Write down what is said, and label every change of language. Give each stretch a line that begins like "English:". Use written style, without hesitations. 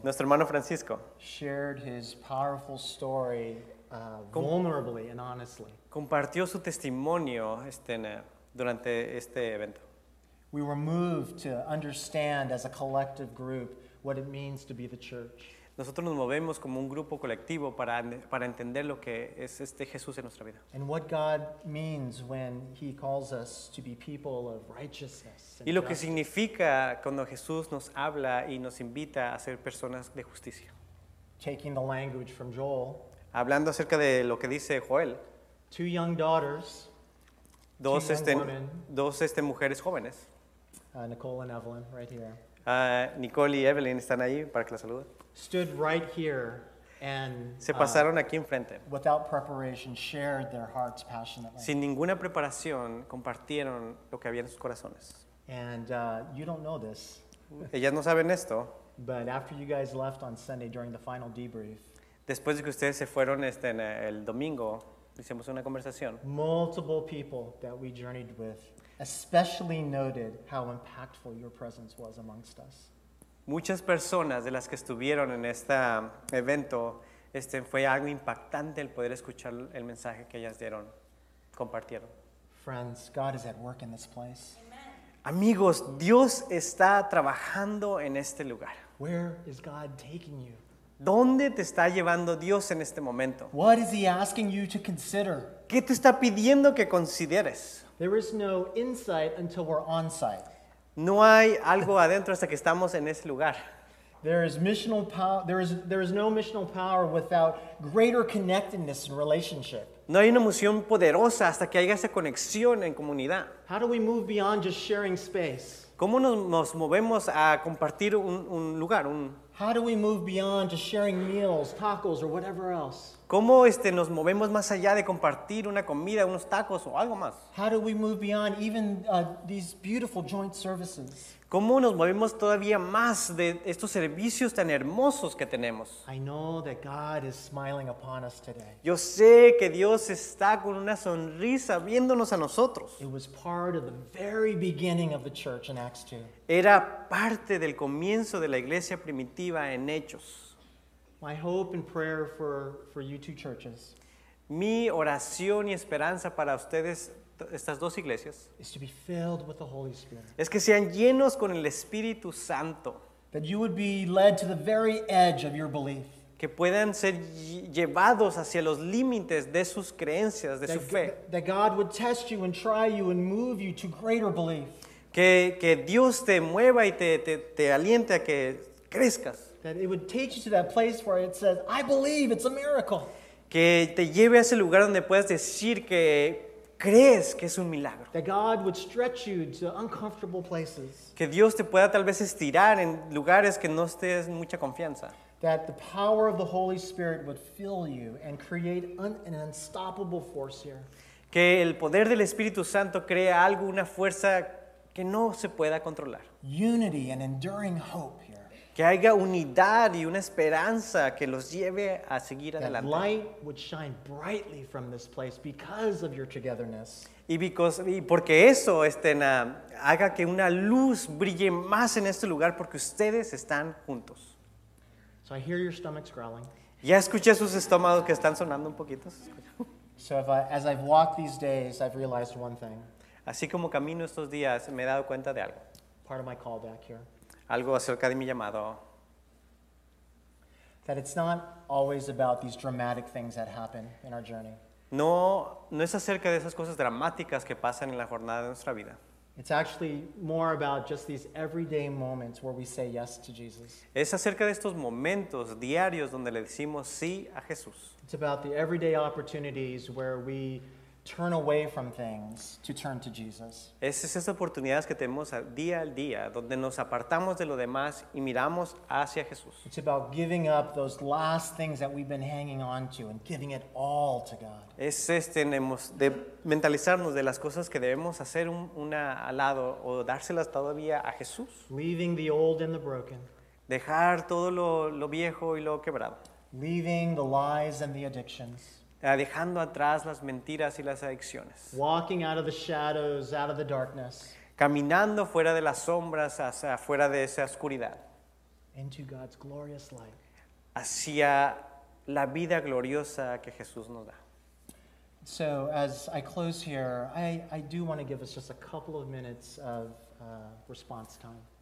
Spanish: Nuestro hermano Francisco.
English: Shared his powerful story vulnerably and honestly.
Spanish: Compartió su testimonio durante este evento.
English: We were moved to understand as a collective group what it means to be the church.
Spanish: Nosotros nos movemos como un grupo colectivo para entender lo que es Jesús en nuestra vida.
English: And what God means when he calls us to be people of righteousness.
Spanish: Y lo que significa cuando Jesús nos habla y nos invita a ser personas de justicia.
English: Taking the language from Joel.
Spanish: Hablando acerca de lo que dice Joel.
English: Two young daughters.
Spanish: Dos mujeres jóvenes.
English: Nicole and Evelyn right here.
Spanish: Nicole y Evelyn están ahí para que la saluden.
English: Stood right here and
Spanish: se pasaron aquí enfrente.
English: Without preparation shared their hearts passionately.
Spanish: Sin ninguna preparación compartieron lo que había en sus corazones.
English: And you don't know this.
Spanish: Ellas no saben esto.
English: But after you guys left on Sunday during the final debrief.
Spanish: Después de que ustedes se fueron el domingo, hicimos una conversación.
English: Multiple people that we journeyed with especially noted how impactful your presence was amongst us.
Spanish: Muchas personas de las que estuvieron en este evento, fue algo impactante el poder escuchar el mensaje que ellas dieron, compartieron.
English: Friends, God is at work in this place.
Spanish: Amigos, Dios está trabajando en este lugar.
English: Where is God taking you?
Spanish: ¿Dónde te está llevando Dios en este momento?
English: What is he asking you to consider?
Spanish: ¿Qué te está pidiendo que consideres?
English: There is no insight until we're on site.
Spanish: No hay algo adentro hasta que estamos en ese lugar.
English: There is no missional power without greater connectedness and relationship.
Spanish: No hay una misión poderosa hasta que haya esa conexión en comunidad.
English: How do we move beyond just sharing space?
Spanish: ¿Cómo nos movemos a compartir un lugar?
English: How do we move beyond just sharing meals, tacos, or whatever else?
Spanish: ¿Cómo nos movemos más allá de compartir una comida, unos tacos o algo más?
English: How do we move beyond even these beautiful joint services?
Spanish: ¿Cómo nos movemos todavía más de estos servicios tan hermosos que tenemos?
English: I know that God is smiling upon us today.
Spanish: Yo sé que Dios está con una sonrisa viéndonos a nosotros.
English: It was part of the very beginning of the church in Acts 2.
Spanish: Era parte del comienzo de la iglesia primitiva en Hechos.
English: My hope and prayer for you two churches.
Spanish: Mi oración y esperanza para ustedes estas dos iglesias.
English: Is to be filled with the Holy Spirit.
Spanish: Es que sean llenos con el Espíritu Santo.
English: That you would be led to the very edge of your belief.
Spanish: Que puedan ser llevados hacia los límites de sus creencias, de su fe.
English: That God would test you and try you and move you to greater belief.
Spanish: Que Dios te mueva y te aliente a que crezcas.
English: That it would take you to that place where it says, I believe, it's a miracle.
Spanish: Que te lleve a ese lugar donde puedas decir que crees que es un milagro.
English: That God would stretch you to uncomfortable places.
Spanish: Que Dios te pueda tal vez estirar en lugares que no estés mucha confianza.
English: that the power of the Holy Spirit would fill you and create an unstoppable force here.
Spanish: Que el poder del Espíritu Santo crea algo, una fuerza que no se pueda controlar.
English: Unity and enduring hope here.
Spanish: Que haya unidad y una esperanza que los lleve a seguir
English: that
Spanish: adelante.
English: That light would shine brightly from this place because of your togetherness.
Spanish: Y porque eso haga que una luz brille más en este lugar porque ustedes están juntos.
English: So I hear your stomachs growling.
Spanish: Ya escuché sus estómagos que están sonando un poquito.
English: So as I've walked these days, I've realized one thing.
Spanish: Así como camino estos días, me he dado cuenta de algo.
English: Part of my call back here.
Spanish: Algo acerca de mi llamado.
English: That it's not always about these dramatic things that happen in our journey.
Spanish: No es acerca de esas cosas dramáticas que pasan en la jornada de nuestra vida.
English: It's actually more about just these everyday moments where we say yes to Jesus.
Spanish: Es acerca de estos momentos diarios donde le decimos sí a Jesús.
English: It's about the everyday opportunities where we turn away from things to turn to Jesus.
Spanish: Es esas oportunidades que tenemos día al día donde nos apartamos de lo demás y miramos hacia Jesús.
English: It's about giving up those last things that we've been hanging on to and giving it all to God.
Spanish: Tenemos de mentalizarnos de las cosas que debemos hacer una al lado o dárselas todavía a Jesús.
English: Leaving the old and the broken.
Spanish: Dejar todo lo viejo y lo quebrado.
English: Leaving the lies and the addictions.
Spanish: Dejando atrás las mentiras y las adicciones.
English: Walking out of the shadows, out of the darkness.
Spanish: Caminando fuera de las sombras, hacia fuera de esa oscuridad.
English: Into God's glorious light.
Spanish: Hacia la vida gloriosa que Jesús nos da.
English: So as I close here, I do want to give us just a couple of minutes of response time.